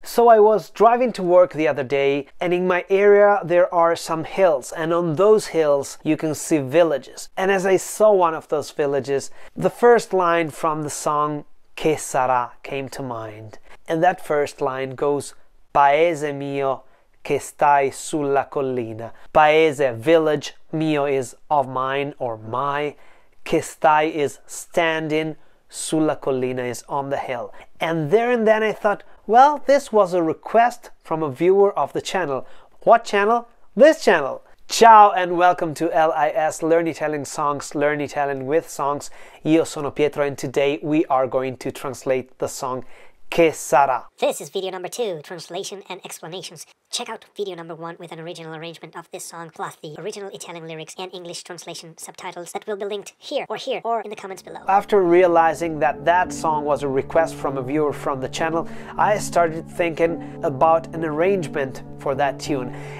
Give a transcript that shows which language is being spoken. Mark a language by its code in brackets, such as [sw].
[en] So I was driving to work the other day, and in my area there are some hills, and on those hills you can see villages. And as I saw one of those villages, the first line from the song Che Sarà came to mind. And that first line goes, [it] Paese mio che stai sulla collina. Paese, [en] village, [it] mio [en] is of mine or my, [it] che stai [en] is standing, [it] sulla collina [en] is on the hill. And there and then I thought, well, this was a request from a viewer of the channel. What channel? This channel! [it] Ciao [en] and welcome to LIS, Learn Italian Songs, Learn Italian with Songs. [it] Io sono [en] Pietro and today we are going to translate the song Che Sarà. This is video number 2, translation and explanations. Check out video number 1 with an original arrangement of this song plus the original Italian lyrics and English translation subtitles that will be linked here or in the comments below. After realizing that that song was a request from a viewer from the channel, I started thinking about an arrangement for that tune.